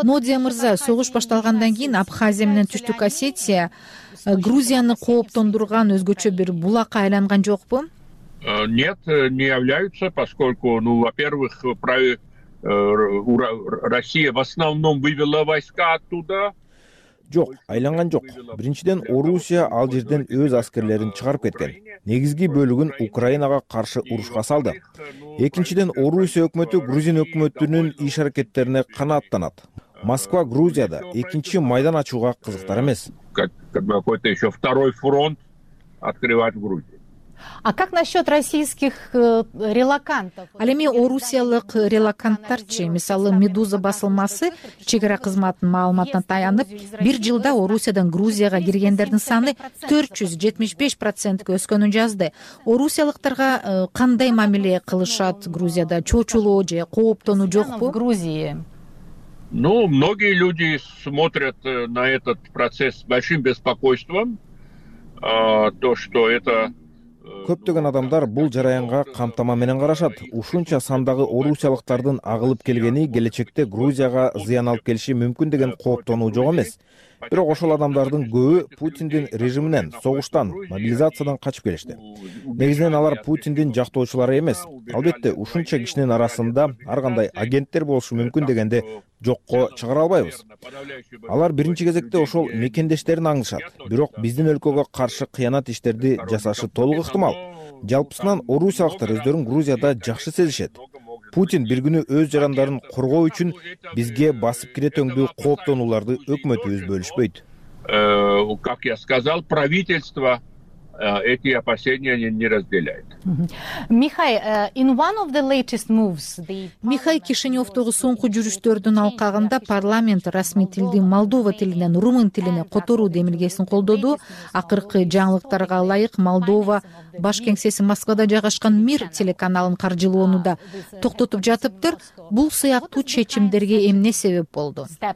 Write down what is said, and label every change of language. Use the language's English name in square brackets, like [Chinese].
[Kyrgyz] Нодия мырза, согуш башталгандан кийин Абхазия менен Түштүк Осетия Грузияны кооптондурган өзгөчө бир булакка айланган жокпу? [Russian] Нет, не являются, поскольку, ну, во-первых, Россия в основном вывела войска оттуда. [Kyrgyz] Жок, айланган жок. Биринчиден Орусия ал жерден өз аскерлерин чыгарып кеткен. Негизги бөлүгүн Украинага каршы урушка салды. Экинчиден Орусия өкмөтү грузин өкмөтүнүн иш аракеттерине канааттанат. Москва Грузияда экинчи майдан ачууга кызыктар эмес. [Russian] Какой-то еще второй фронт открывать в Грузии. А как насчет российских релакантов? [Kyrgyz] Ал эми орусиялык релаканттарчы, мисалы Медуза басылмасы чек ара кызматынын маалыматына таянып, бир жылда Орусиядан Грузияга киргендердин саны 475% өскөнүн жазды. Орусиялыктарга кандай мамиле кылышат Грузияда? Чочулоо же кооптонуу жокпу? Грузия. [Russian] Ну, многие люди смотрят на этот процесс с большим беспокойством, то что это. [Kyrgyz] Көптөгөн адамдар бул жараянга камтама менен карашат. Ушунча сандагы орусиялыктардын агылып келгени келечекте Грузияга зыян алып келиши мүмкүн деген кооптонуу жок эмес. Бирок ошол адамдардын көбү Путиндин режиминен, согуштан, мобилизациядан качып келишти. Негизинен алар Путиндин жактоочулары эмес. Албетте, ушунча кишинин арасында ар кандай агенттер болушу мүмкүн дегенде жокко чыгара албайбыз. Алар биринчи кезекте ошол мекендештерин аңдышат. Бирок биздин өлкөгө каршы кыянат иштерди жасашы толук ыктымал. Жалпысынан орусиялыктар өздөрүн Грузияда жакшы сезишет. Путин бир күнү өз жарандарын коргоо үчүн бизге басып кире төңдүү кооптонууларды өкмөтүбүз бөлүшпөйт. [Russian] Как я сказал, правительство эти опасения не разделяет. [Kyrgyz] Михай Кишиневтогу соңку жүрүштөрдүн алкагында парламент расмий тилди Молдова тилинен румын тилине которуу демилгесин колдоду. Акыркы жаңылыктарга ылайык, Молдова баш кеңсеси Москвада жайгашкан Мир телеканалын каржылоону да токтотуп жатыптыр. Бул сыяктуу чечимдерге эмне себеп болду?